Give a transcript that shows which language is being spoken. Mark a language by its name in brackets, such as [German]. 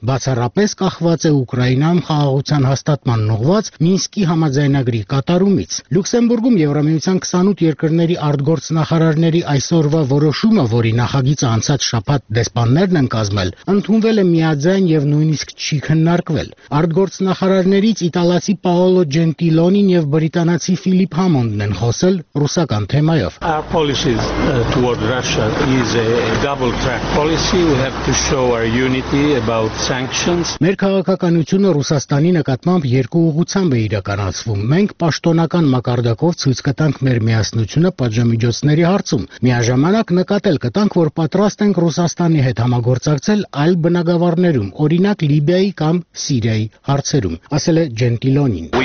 [Armenian] բացառապես ախված է Ուկրաինայում խաղաղության հաստատման ուղված Մինսկի համաձայնագրի կատարումից։ Լյուքսեմբուրգում Եվրամիության 28 երկրների արտգործնախարարների այսօրվա որոշումը, որի նախագիծը անցած շաբաթ դեսպաններն են կազմել, ընդունվել է միաձայն եւ նույնիսկ չի քննարկվել։ Արտգործնախարարներից իտալացի Պաոլո Ջենտիլոնին եւ բրիտանացի Ֆիլիպ Համոնդն են խոսել ռուսական թեմայով։ [English] Our policy toward Russia is a double track policy. We have to show our unity about sanctions. [Armenian] Մեր քաղաքականությունը Ռուսաստանի նկատմամբ երկու ուղղությամբ է իրականացվում։ Մենք պաշտոնական մակարդակով ցույց կտանք մեր միասնությունը պատժամիջոցների հարցում։ Միաժամանակ նկատել կտանք, որ պատրաստ ենք Ռուսաստանի հետ համագործակցել այլ բնագավառներում, օրինակ Լիբիայի կամ Սիրիայի հարցերում, ասել է Ջենտիլոնին։